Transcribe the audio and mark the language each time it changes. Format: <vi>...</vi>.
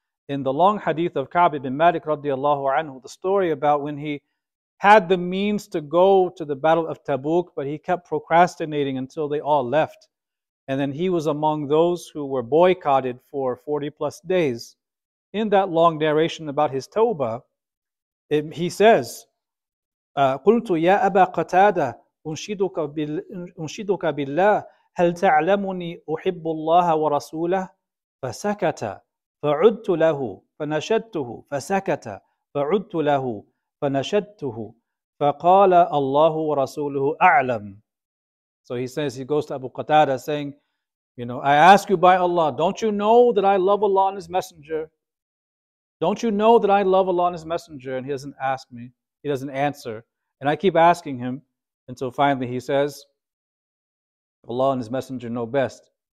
<en>In the long hadith of Ka'b ibn Malik radiallahu anhu, the story about when he had the means to go to the Battle of Tabuk, but he kept procrastinating until they all left. And then he was among those who were boycotted for 40 plus days. In that long narration about his tawbah, he says,</en> <ar>قلت يا أبا قتادة أنشدك بالله هل تعلمني أحب الله ورسوله فسكت فعدت له فنشدته فسكت فعدت له فنشدته فقال الله ورسوله أعلم.</ar> <en>So he says, he goes to Abu Qatada saying, you know, I ask you by Allah, don't you know that I love Allah and His Messenger? Don't you know that I love Allah and His Messenger? And he doesn't ask me, he doesn't answer. And I keep asking him until finally he says, Allah and His Messenger know best.</en>